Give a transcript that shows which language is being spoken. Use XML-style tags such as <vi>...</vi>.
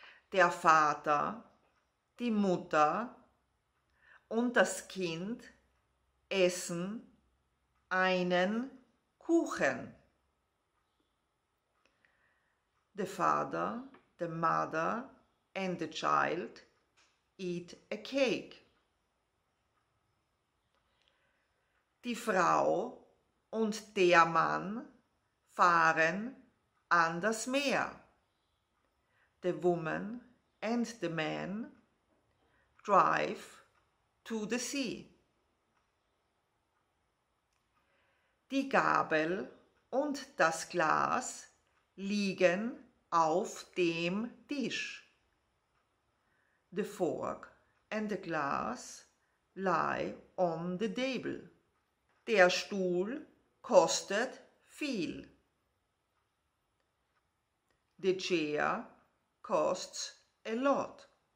<de>Der Vater, die Mutter und das Kind essen einen Kuchen.</de> <en>The father, the mother and the child eat a cake.</en> <de>Die Frau und der Mann fahren an das Meer.</de> <en>The woman and the man drive to the sea.</en> <de>Die Gabel und das Glas liegen auf dem Tisch.</de> <en>The fork and the glass lie on the table.</en> <de>Der Stuhl kostet viel.</de> <en>The chair costs a lot.</en>